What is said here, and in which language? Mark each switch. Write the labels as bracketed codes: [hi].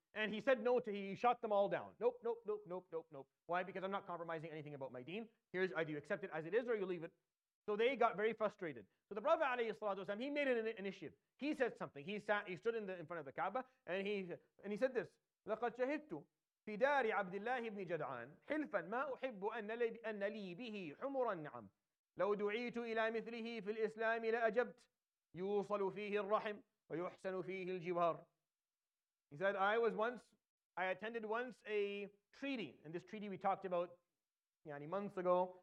[en] And he said no to, he shot them all down. Nope, nope, nope, nope, nope, nope. Why? Because I'm not compromising anything about my deen. Here's either you accept it as it is or you leave it. So they got very frustrated. So the Prophet alayhi salatu wasalam, he made an initiative. He said something. He stood in front of the Kaaba and he said this. [ar] لَقَدْ شَهِدْتُ في دار عبد الله بن جدعان حلفا ما أحب أن لي به حمر النعم لو دعيت إلى مثله في الإسلام لأجبت يوصل فيه الرحم ويحسن فيه الجوار. [en] He said, I attended once a treaty, and this treaty we talked about months ago.